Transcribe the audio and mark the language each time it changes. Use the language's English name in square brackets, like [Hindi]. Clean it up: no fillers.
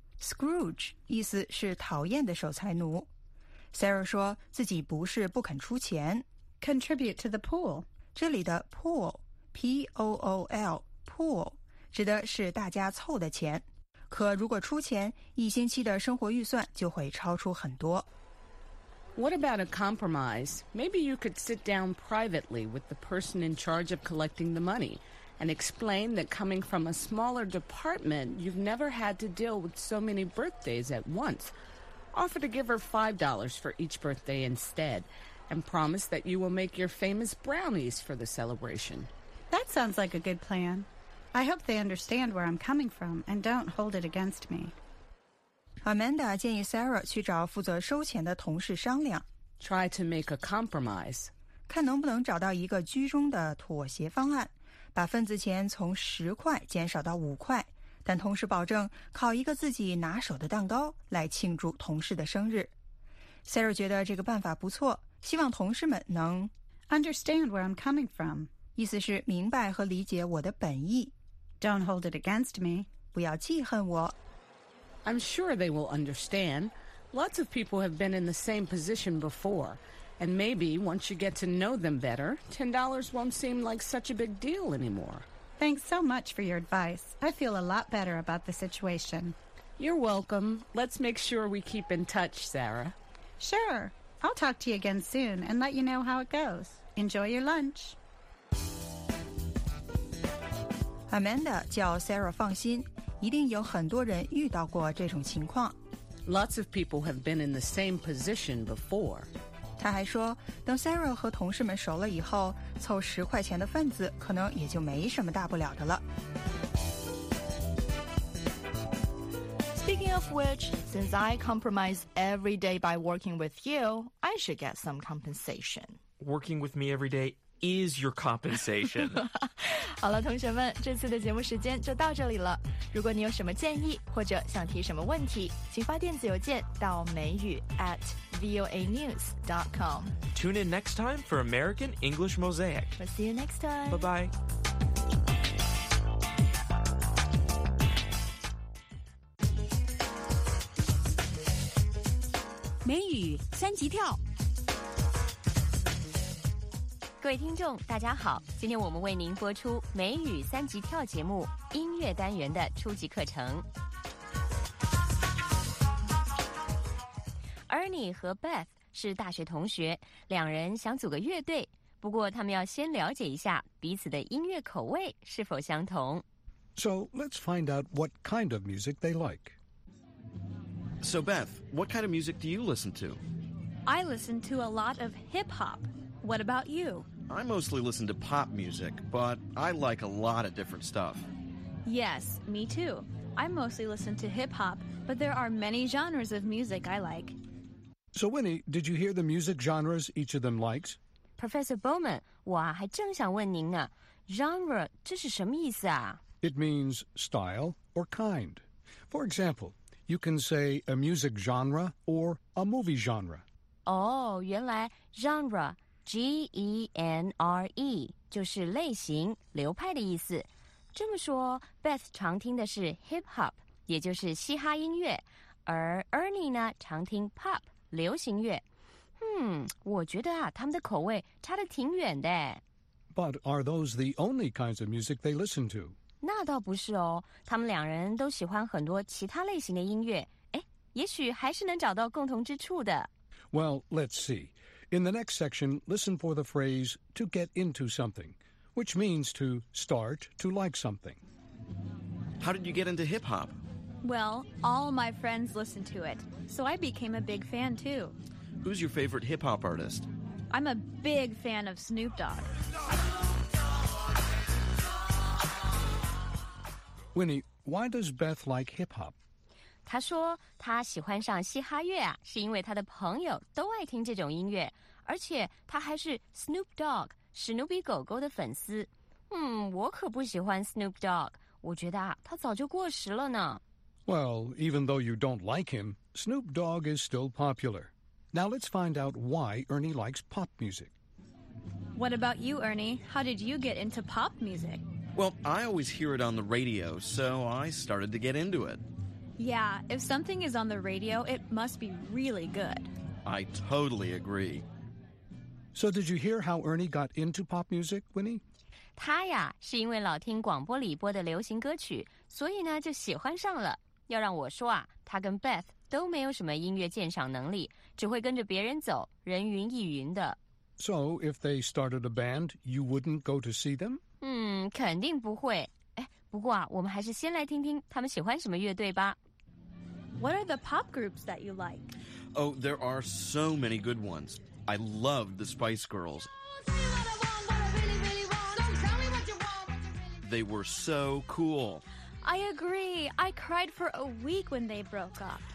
[Chinese] Scrooge 意思是讨厌的守财奴。Sarah 说自己不是不肯出钱。 [English] Contribute to the pool. [Chinese] 这里的 pool, P-O-O-L, pool, 指的是大家凑的钱。可如果出钱，一星期的生活预算就会超出很多。 [English] What about a compromise? Maybe you could sit down privately with the person in charge of collecting the money and explain that coming from a smaller department, you've never had to deal with so many birthdays at once. Offer to give her $5 for each birthday instead and promise that you will make your famous brownies for the celebration. That sounds like a good plan. I hope they understand where I'm coming from and don't hold it against me. [Chinese] Amanda 建议 Sarah 去找负责收钱的同事商量。 [English] Try to make a compromise. [Chinese] 看能不能找到一个居中的妥协方案，把份子钱从10块减少到5块，但同时保证烤一个自己拿手的蛋糕来庆祝同事的生日。 Sarah 觉得这个办法不错，希望同事们能 [English] Understand where I'm coming from. [Chinese] 意思是明白和理解我的本意。 [English] Don't hold it against me. [Chinese] 不要记恨我。 [English] I'm sure they will understand. Lots of people have been in the same position before. And maybe once you get to know them better, $10 won't seem like such a big deal anymore. Thanks so much for your advice. I feel a lot better about the situation. You're welcome. Let's make sure we keep in touch, Sarah. Sure. I'll talk to you again soon and let you know how it goes. Enjoy your lunch. [Chinese] Amanda 叫 Sarah 放心。一定有很多人遇到过这种情况。 [English] Lots of people have been in the same position before. [Chinese] 他还说，等 Sarah 和同事们熟了以后，凑10块钱的份子可能也就没什么大不了的了。 [English] Speaking of which, since I compromise every day by working with you, I should get some compensation. Working with me every day is your compensation. [Chinese] 好了，同学们，这次的节目时间就到这里了。如果你有什么建议或者想提什么问题，请发电子邮件到美语 @voanews.com. [English] Tune in next time for American English Mosaic. We'll see you next time. Bye-bye. [Chinese] 美语三级跳。各位听众大家好，今天我们为您播出美语三级跳节目音乐单元的初级课程。 Ernie 和 Beth 是大学同学，两人想组个乐队，不过他们要先了解一下彼此的音乐口味是否相同。 [English] So let's find out what kind of music they like. So Beth, what kind of music do you listen to? I listen to a lot of hip-hop. What about you? I mostly listen to pop music, but I like a lot of different stuff. Yes, me too. I mostly listen to hip-hop, but there are many genres of music I like. So Winnie, did you hear the music genres each of them likes? [Chinese] Professor Bowman, 我还正想问您呢 ,genre 这是什么意思啊？ [English] It means style or kind. For example, you can say a music genre or a movie genre. [Chinese] Oh, 原来 genre, G-E-N-R-E, 就是类型、流派的意思。这么说 ,Beth 常听的是 hip-hop, 也就是嘻哈音乐。而 Ernie 呢常听 pop, 流行乐。我觉得啊他们的口味差得挺远的。 [English] But are those the only kinds of music they listen to? [Chinese] 那倒不是哦，他们两人都喜欢很多其他类型的音乐，哎，也许还是能找到共同之处的。 [English] Well, let's see. In the next section, listen for the phrase to get into something, which means to start to like something. How did you get into hip-hop? Well, all my friends listen to it, so I became a big fan too. Who's your favorite hip-hop artist? I'm a big fan of Snoop Dogg. Winnie, why does Beth like hip-hop? [Chinese] 她说她喜欢上嘻哈乐啊，是因为她的朋友都爱听这种音乐，而且她还是 Snoop Dogg, 史努比狗狗的粉丝。我可不喜欢 Snoop Dogg, 我觉得啊，他早就过时了呢。 [English] Well, even though you don't like him, Snoop Dogg is still popular. Now let's find out why Ernie likes pop music. What about you, Ernie? How did you get into pop music? Well, I always hear it on the radio, so I started to get into it. Yeah, if something is on the radio, it must be really good. I totally agree. So did you hear how Ernie got into pop music, Winnie? [Chinese] 他呀，是因为老听广播里播的流行歌曲，所以呢，就喜欢上了。要让我说啊，他跟 Beth 都没有什么音乐鉴赏能力，只会跟着别人走，人云亦云的。 [English] So if they started a band, you wouldn't go to see them? [Chinese] 肯定不会。不过啊，我们还是先来听听他们喜欢什么乐队吧。 [English] What are the pop groups that you like? Oh, there are so many good ones. I love the Spice Girls. They were so cool. I agree. I cried for a week when they broke up.